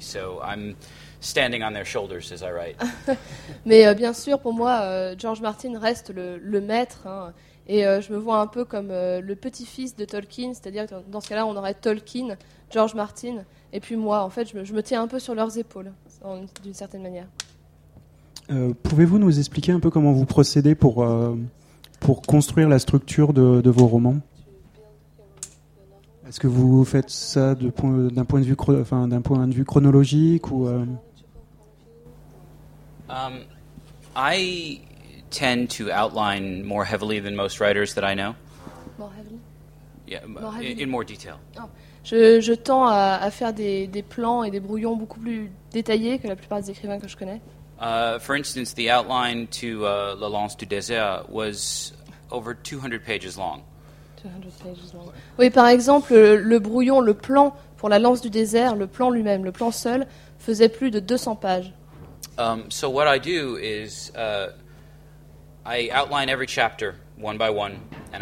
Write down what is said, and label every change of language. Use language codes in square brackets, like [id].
[en] So I'm standing on their shoulders as I write. [fr] Mais bien sûr, pour moi, George Martin reste le maître, hein, et je me vois un peu comme le petit-fils de Tolkien, c'est-à-dire que dans ce cas-là, on aurait Tolkien, George Martin, et puis moi, en fait, je me tiens un peu sur leurs épaules, d'une certaine manière. Pouvez-vous nous expliquer un peu comment vous procédez pour construire la structure de vos romans? Est-ce que vous faites ça d'un point de vue chronologique ou [en] I tend to outline more heavily than most writers that I know. More heavily? Yeah, more heavily. In more detail. Oh. [fr] Je tends à faire des plans et des brouillons beaucoup plus détaillés que la plupart des écrivains que je connais. [en] For instance, the outline to La Lance du Désert was over 200 pages long. 200 pages long. [fr] Oui, par exemple, le brouillon, le plan pour La Lance du Désert, le plan lui-même, le plan seul, faisait plus de 200 pages. [en] So what I do is I outline every chapter one by one, and